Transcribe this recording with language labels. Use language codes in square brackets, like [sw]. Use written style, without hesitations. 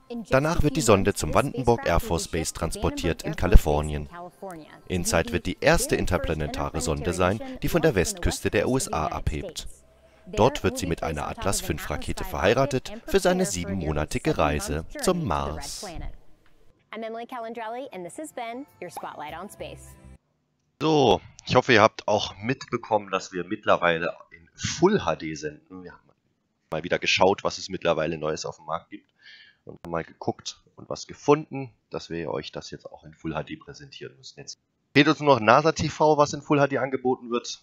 [de] Danach wird die Sonde zum Vandenberg Air Force Base transportiert in Kalifornien. InSight wird die erste interplanetare Sonde sein, die von der Westküste der USA abhebt. Dort wird sie mit einer Atlas V-Rakete verheiratet für seine 7-monatige Reise zum Mars. [en] I'm Emily Calandrelli and this has been your Spotlight on Space. [de] So, ich hoffe, ihr habt auch mitbekommen, dass wir mittlerweile in Full HD senden. Wir haben mal wieder geschaut, was es mittlerweile Neues auf dem Markt gibt und haben mal geguckt und was gefunden, dass wir euch das jetzt auch in Full HD präsentieren müssen. Jetzt fehlt uns nur noch NASA TV, was in Full HD angeboten wird.